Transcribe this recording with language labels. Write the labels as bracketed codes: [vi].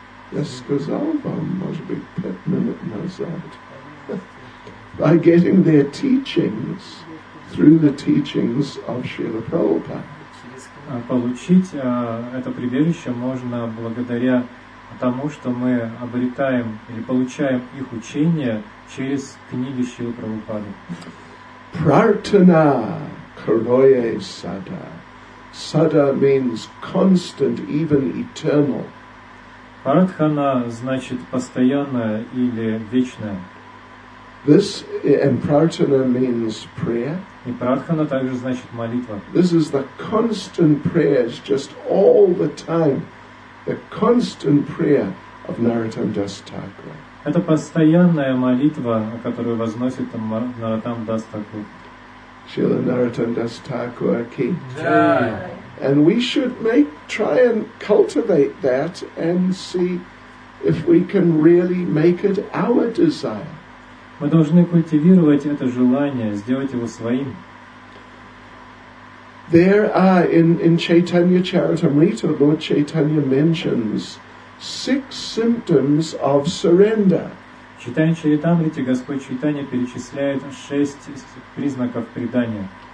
[ru] Я сказал вам, может быть, 5 минут назад. [en] By getting their teachings through the teachings of Śrīla Prabhupāda. [ru] Получить это прибежище можно благодаря тому, что мы обретаем или получаем их учения через книги Śrīla Prabhupāda. [bn] Prārthanā karoye sada. [en] Sada means constant, even eternal. [ru] Prārthanā значит постоянное или вечное. [en] This and prārthanā means prayer. [ru] И prārthanā также значит молитва. [en] This is the constant prayers, just all the time, the constant prayer of Narottam Das Thakur. [ru] Это постоянная молитва, которую возносит Narottam Das Thakur. [bn] Śrīla Narottam Das Thakur ki. [ru] Да. [en] And we should try and cultivate that and see if we can really make it our desire. [ru] Мы должны культивировать это желание, сделать его своим. [en] There are in Chaitanya Charitamrita, Lord Chaitanya mentions 6 symptoms of surrender. [ru] В Чайтанья Чаритамрите Господь Чайтанья перечисляет 6 признаков предания.